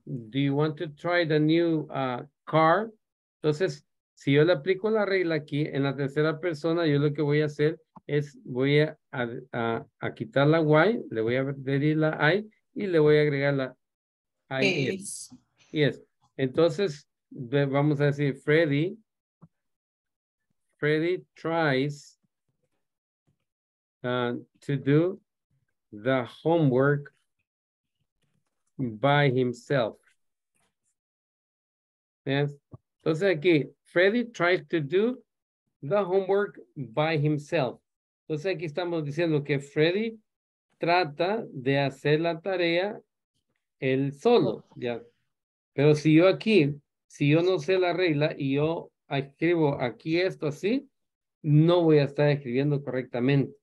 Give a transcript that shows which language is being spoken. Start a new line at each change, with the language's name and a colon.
English: Do you want to try the new car?
Spanish: Entonces, si yo le aplico la regla aquí, en la tercera persona, yo lo que voy a hacer es voy a quitar la Y, le voy a añadir la I y le voy a agregar la I.
English: Yes. Yes.
Spanish: Entonces, vamos a decir,
English: Freddy tries to do the homework by himself. Yes.
Spanish: Entonces aquí,
English: Freddy tries to do the homework by himself.
Spanish: Entonces aquí estamos diciendo que Freddy trata de hacer la tarea él solo, ¿ya? Pero si yo aquí, si yo no sé la regla y yo escribo aquí esto así, no voy a estar escribiendo correctamente.